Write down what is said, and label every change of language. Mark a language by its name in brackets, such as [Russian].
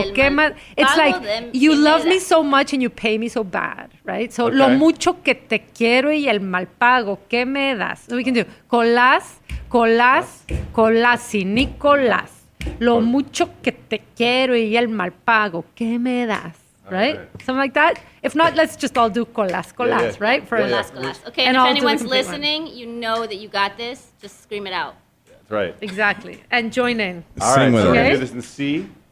[English] It's like, you love me so much and you pay me so bad, right? [Spanish] So, lo mucho que te quiero y el mal pago que me das. [English] So we can do [Spanish] colas, colas, colas y Nicolás. Lo mucho que te quiero y el mal pago que me das. [English] Right? Okay. Something like that. If not, let's just all do colas, colas, right? For colas, colas. Okay, and if anyone's listening, you know that you got this. Just scream it out. That's right. Exactly. And join in. All right, so we're going to do this in C.